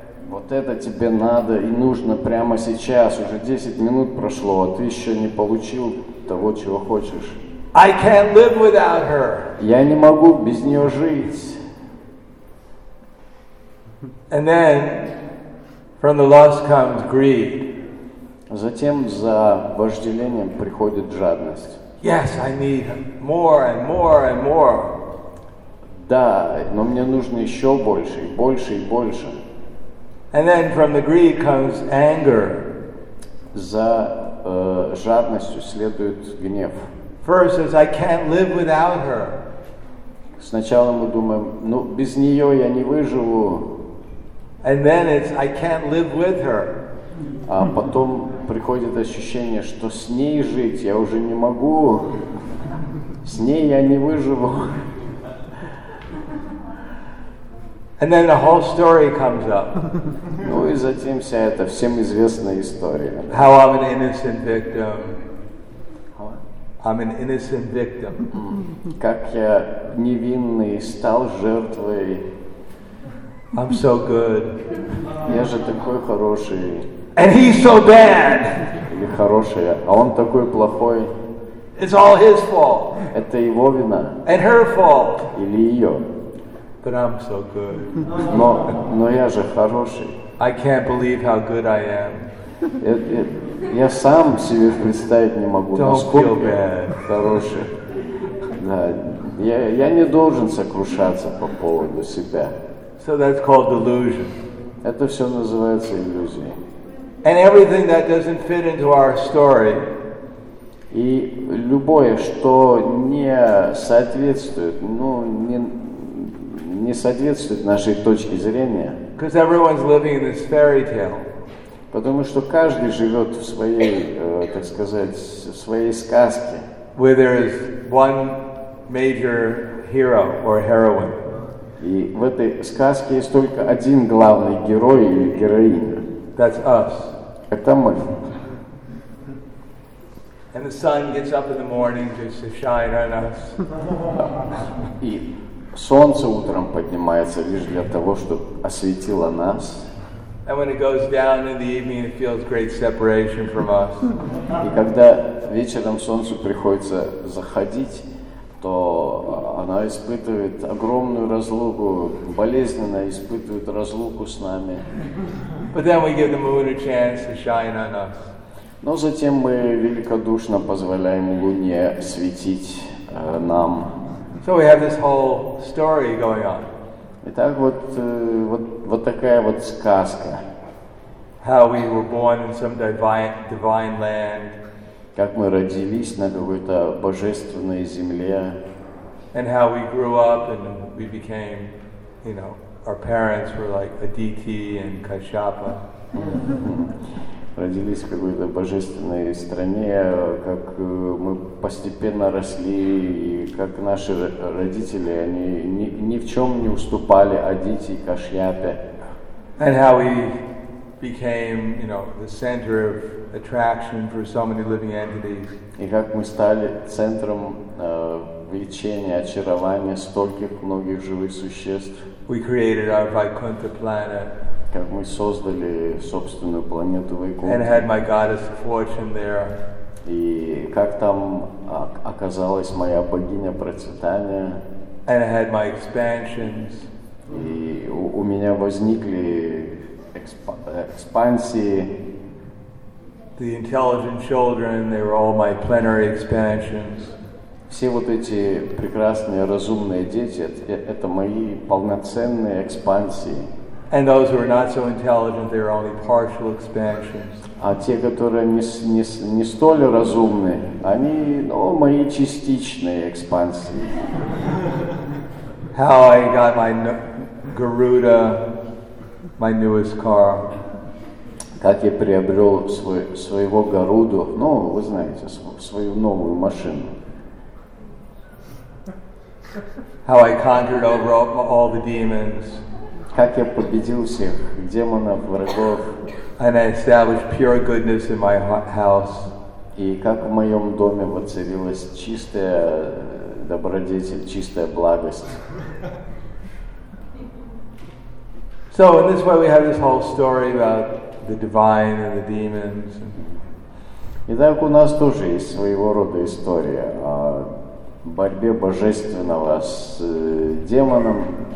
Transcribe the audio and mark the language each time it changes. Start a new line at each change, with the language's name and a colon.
Russian: Вот это тебе надо и нужно прямо сейчас. Уже 10 минут прошло, а ты еще не получил того, чего хочешь.
English: I can't live without her.
Russian: Я не могу без нее жить.
English: And then, from the lust comes greed.
Russian: Затем за вожделением приходит жадность.
English: Yes, I need more and more and more.
Russian: Да, но мне нужно еще больше, и больше, и больше.
English: And then from the greed comes anger.
Russian: За жадностью следует гнев.
English: First is I can't live without her.
Russian: Сначала мы думаем, ну без нее я не выживу.
English: And then it's I can't live with her.
Russian: А потом приходит ощущение, что с ней жить я уже не могу. С ней я не выживу.
English: And then the whole story comes up.
Russian: Ну и затем вся эта всем известная история.
English: How I'm an innocent victim. I'm an innocent victim.
Russian: Как я невинный стал жертвой.
English: I'm so good.
Russian: Я же такой хороший.
English: And he's so bad.
Russian: Или хороший, а он такой плохой.
English: It's all his fault.
Russian: Это его вина.
English: And her fault.
Russian: Или ее.
English: But I'm so good.
Russian: Но я же хороший.
English: I can't believe how good I am.
Russian: Я сам себе представить не могу,
English: don't
Russian: насколько
English: feel bad.
Russian: Хороший. Да, я не должен сокрушаться по поводу себя.
English: So that's called delusion.
Russian: Это все называется иллюзией.
English: And everything that doesn't fit into our story.
Russian: И любое, что не соответствует, ну не соответствует нашей точке зрения.
English: Because everyone's living in this fairy tale.
Russian: Потому что каждый живет в своей, так сказать, своей сказке.
English: Where there is one major hero or heroine.
Russian: И в этой сказке есть только один главный герой или героиня.
English: That's us.
Russian: Это мы.
English: And the sun gets up in the morning just to shine on us.
Russian: И солнце утром поднимается лишь для того, чтобы осветило нас.
English: And when it goes down in the evening, it feels great separation from us.
Russian: И когда вечером солнцу приходится заходить, то она испытывает огромную разлуку, болезненно испытывает разлуку с нами.
English: But then we give the moon a chance to shine on us.
Russian: Но затем мы великодушно позволяем луне светить нам.
English: So we have this whole story going on.
Russian: Итак, вот такая вот сказка.
English: How we were born in some divine land.
Russian: Как мы родились на какой-то божественной земле.
English: And how we grew up and we became, you know, our parents were like Aditi and Kashyapa.
Russian: Родились в какой-то божественной стране, как мы постепенно росли, и как наши родители, они ни в чем не уступали Адити и Кашьяпе.
English: And how we became, you know, the center of attraction for so many living entities.
Russian: И как мы стали центром влечения, очарования стольких многих живых существ.
English: We created our Vaikuntha planet.
Russian: Как мы создали собственную планету Вайкунта.
English: And had my goddess of fortune there.
Russian: И как там оказалась моя богиня процветания.
English: And had my expansions.
Russian: И у меня возникли экспансии.
English: The intelligent children, they were all my plenary expansions.
Russian: Все вот эти прекрасные, разумные дети — это мои полноценные экспансии.
English: And those who are not so intelligent, they are only partial expansions.
Russian: А те, которые не столь разумные, они, ну, мои частичные экспансии.
English: How I got my Garuda, my newest car.
Russian: Как я приобрел своего Гаруду, ну, вы знаете, свою новую машину.
English: How I conquered over all the demons.
Russian: Как я победил всех демонов, врагов.
English: And I established pure goodness in my house.
Russian: И как в моем доме воцарилась чистая добродетель, чистая благость.
English: So in this way we have this whole story about the divine and the demons.
Russian: Итак, у нас тоже есть своего рода история о борьбе божественного с демонами.